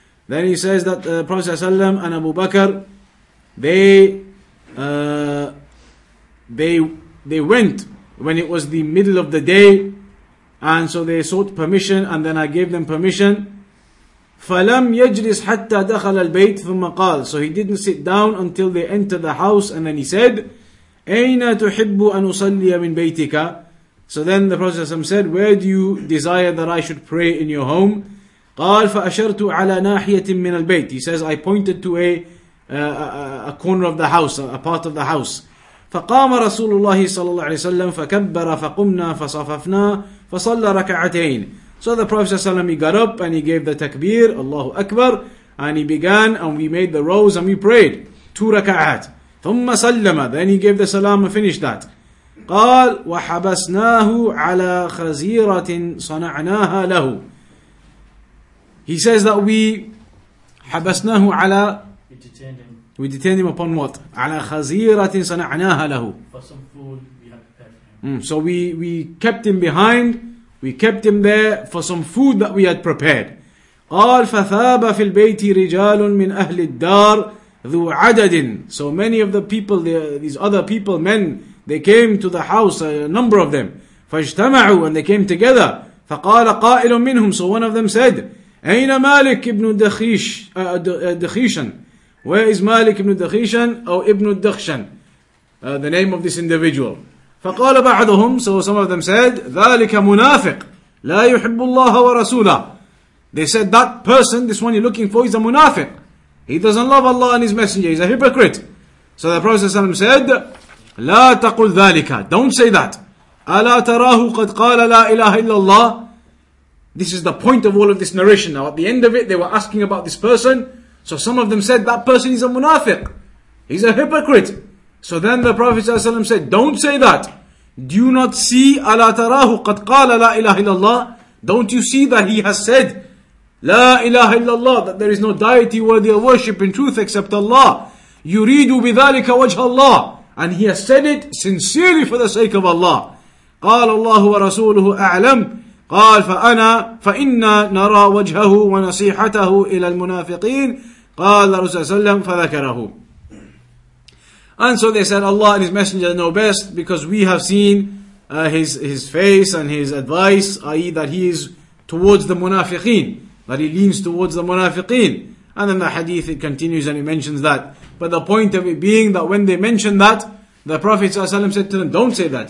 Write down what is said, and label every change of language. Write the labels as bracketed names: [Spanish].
[English] Then he says that the Prophet ﷺ and Abu Bakr, they went when it was the middle of the day, and so they sought permission, and then I gave them permission. [Arabic] فَلَمْ يَجْلِسْ حَتَّى دَخَلَ الْبَيْتِ ثُمَّ قَالَ. [English] So he didn't sit down until they entered the house, and then he said, [Arabic] أَيْنَ تُحِبُّ أَنْ أُصَلِّيَ مِنْ بَيْتِكَ. [English] So then the Prophet ﷺ said, where do you desire that I should pray in your home? [Arabic] قال فأشرت على ناحية من البيت. [English] He says, I pointed to a corner of the house, a part of the house. [Arabic] فقام رسول الله صلى الله عليه وسلم فكبر فقمنا فصففنا فصلى ركعتين. [English] So the Prophet صلى الله عليه وسلم, he got up and he gave the takbir, Allahu Akbar, and he began and we made the rows and we prayed two ركعات. [Arabic] ثم سلم, [English] then he gave the salam and finished that. [Arabic] قال وحبسناه على خزيرة صنعناها له. [English] He says that we [Arabic] حبسناه على, [English] we detained him upon what? [Arabic] على خزيرة صنعناها له. [English] For some food we had prepared for him. So we kept him behind, we kept him there for some food that we had prepared. [Arabic] قال فثاب في البيت رجال من أهل الدار ذو عدد. [English] So many of the people, these other people, men, they came to the house, a number of them. [Arabic] فاجتمعوا, [English] and they came together. [Arabic] فقال قائل منهم, [English] so one of them said, [Arabic] أين مالك ابن دخيش دخيشن. [English] Where is مالك ابن دخيشن أو ابن الدخشن, the name of this individual. [Arabic] فقال بعضهم, [English] so some of them said, [Arabic] ذلك منافق لا يحب الله ورسوله. [English] They said that person, this one you're looking for, is a منافق. He doesn't love Allah and His Messenger. He's a hypocrite. So the Prophet صلى الله عليه وسلم said, [Arabic] لا تقل ذلك. [English] Don't say that. [Arabic] ألا تراه قد قال لا إله إلا الله. [English] This is the point of all of this narration. Now at the end of it, they were asking about this person. So some of them said, that person is a munafiq. He's a hypocrite. So then the Prophet ﷺ said, don't say that. Do you not see, [Arabic] أَلَا تَرَاهُ قَدْ قَالَ لَا إِلَهَ إِلَّا اللَّهِ. [English] Don't you see that he has said, [Arabic] لَا إِلَهَ إِلَّا اللَّهِ, [English] that there is no deity worthy of worship in truth except Allah. [Arabic] يُرِيدُ بِذَلِكَ وَجْهَ اللَّهِ. [English] And he has said it sincerely for the sake of Allah. [Arabic] قَالَ اللَّهُ وَرَسُولُهُ أَعْلَمْ. قال فأنا فإنا نرى وجهه ونصيحته إلى المنافقين. قال رسول الله صلى الله عليه وسلم فذكره. [English] And so they said, Allah and His Messenger know best, because we have seen his face and his advice, i.e. that he is towards the munafiqeen, that he leans towards the munafiqeen. And then the hadith, it continues and it mentions that. But the point of it being that when they mentioned that, the Prophet صلى الله عليه وسلم said to them, don't say that.